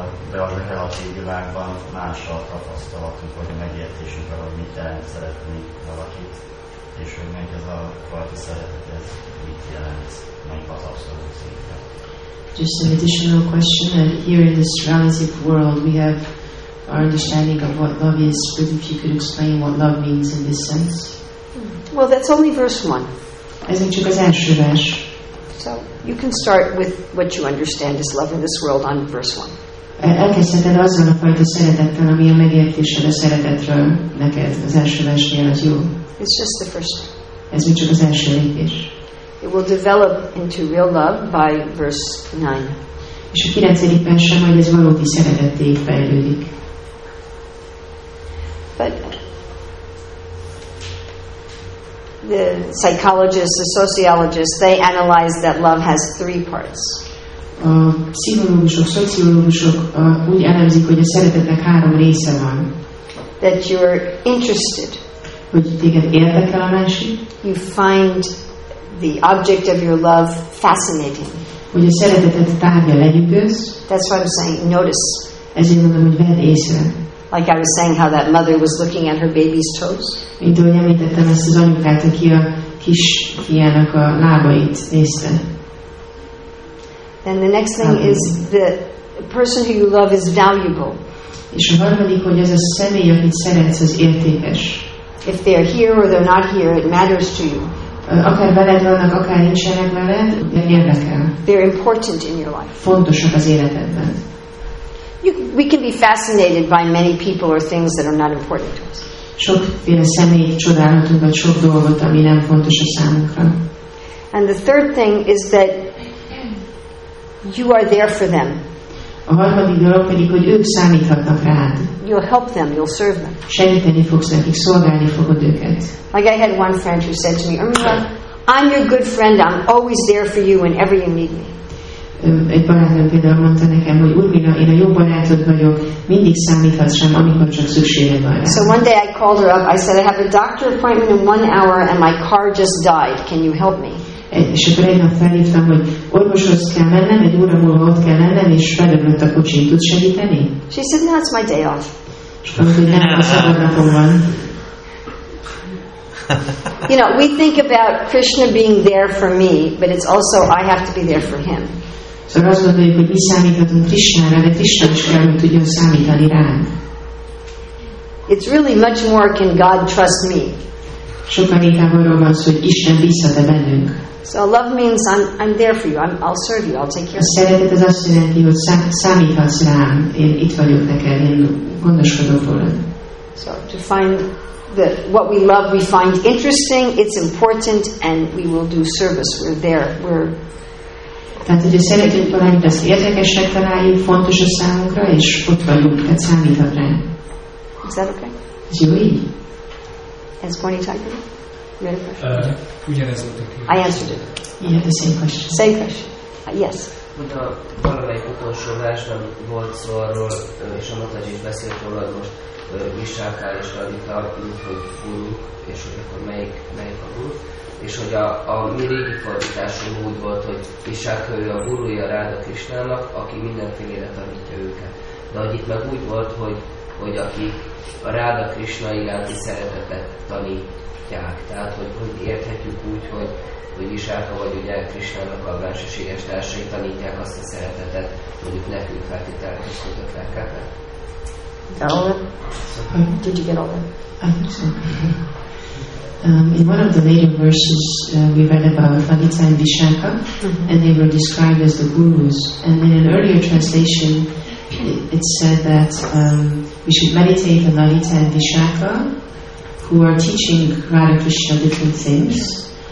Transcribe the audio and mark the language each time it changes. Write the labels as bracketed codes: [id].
[hu] De az a relatív világban másra tapasztalatunk, hogy megértésünk arra, hogy mit jelent szeretni valakit, és hogy meg ez a fajta szeretet, ez mit jelent, meg az abszolút szinten. [en] Just an additional question, that here in this relative world we have our understanding of what love is, but if you could explain what love means in this sense. Well, that's only verse one. [hu] Ez még csak az első vers. [en] So, you can start with what you understand is love in this world on verse one. [hu] Elkezdheted azzal a fajta szeretettel, ami a megértésed a szeretetről neked az első versnél az jó. [en] It's just the first. [hu] Ez még csak az első lépés. [en] It will develop into real love by verse 9. [hu] És a 9. versen majd ez valódi szeretetté fejlődik. [en] But the psychologists, the sociologists, they analyze that love has three parts. [hu] A pszichológusok, szociológusok úgy elemzik, hogy a szeretetnek három része van. [en] That you're interested. [hu] Hogy téged érdekel a másik. [en] You find the object of your love fascinating. [hu] Hogy a szeretetet tárgya legyünk. [en] That's what I'm saying, notice. [hu] Ezért mondom, hogy vedd észre. [en] Like I was saying how that mother was looking at her baby's toes. [hu] Mint ahogy említettem ezt az anyukát, aki a kisfiának a lábait nézte. [en] Then the next thing is the person who you love is valuable. [hu] És a harmadik, hogy ez a személy, akit szeretsz, az értékes. [en] If they are here or they're not here, it matters to you. [hu] Akár veled vannak, akár nincsenek veled, érdekel. [en] They're important in your life. [hu] Fontosak az életedben. [en] We can be fascinated by many people or things that are not important to us. [hu] Sokféle személy csodálhatunk, vagy sok dolgot, ami nem fontos a számunkra. [en] And the third thing is that you are there for them. [hu] A harmadik dolog pedig, hogy ők számíthatnak rád. [en] You'll help them, you'll serve them. [hu] Segíteni fogsz nekik, szolgálni fogod őket. [en] Like I had one friend who said to me, Irmila, I'm your good friend, I'm always there for you whenever you need me. [hu] Egy barátom például mondta nekem, hogy Irmila, én a jó barátod vagyok, mindig számíthatsz rám, amikor csak szükséged van. [en] So one day I called her up, I said, I have a doctor appointment in 1 hour and my car just died, can you help me? [hu] És akkor egy nap felhívtam, hogy orvoshoz kell mennem, egy óra múlva ott kell lennem, és felöblött a kocsi, tud segíteni? [en] She said, no, it's my day off. [hu] És azt mondja, nem, a szabad napom van. [en] You know, we think about Krishna being there for me, but it's also I have to be there for him. [hu] So azt gondoljuk, hogy mi számíthatunk Krishnára, de Krishna is kell, hogy tudjon számítani rám. [en] It's really much more can God trust me. [hu] Sokkal inkább arról van szó, hogy Isten bízhat-e bennünk. [en] So love means I'm there for you. I'll serve you. I'll take care of you. [hu] A szeretet az azt jelenti, hogy számíthatsz rám. Én itt vagyok neked. Én gondoskodok rólad. [en] So to find that what we love we find interesting, it's important, and we will do service. We're there. We're. [hu] Tehát, hogy a szeretet valamit azt érdekesnek találjuk, fontos a számunkra, és ott vagyunk, tehát számíthat rá. [en] Is that okay? [hu] Ez jó így? Ez pointy type? Ugyanez volt a kérdés. [en] I answered it. Yeah, the same question. Same question. Yes. [hu] Mint a valamelyik utolsó versben volt szó arról, és a Mataji is beszélt volna, most Visákál és Radita, hogy guruk, és hogy akkor melyik a guru. És hogy a mi régi fordításunk úgy volt, hogy Visáka ő a gurúja Ráda Krisnának, aki mindenfélére tanítja őket. De hogy itt meg úgy volt, hogy aki a Ráda Krisna iránti szeretetet tanítják. Tehát, hogy érthetjük úgy, hogy Visáka vagy ugye Krisnának a bensőséges társai tanítják azt a szeretetet, mondjuk nekünk feltételkezik, hogy ott meg kell. [en] In one of the later verses we read about Radhika and Visakha, and they were described as the gurus. And in an earlier translation, it said that we should meditate on Radhika and Visakha, who are teaching Radha Krishna different things.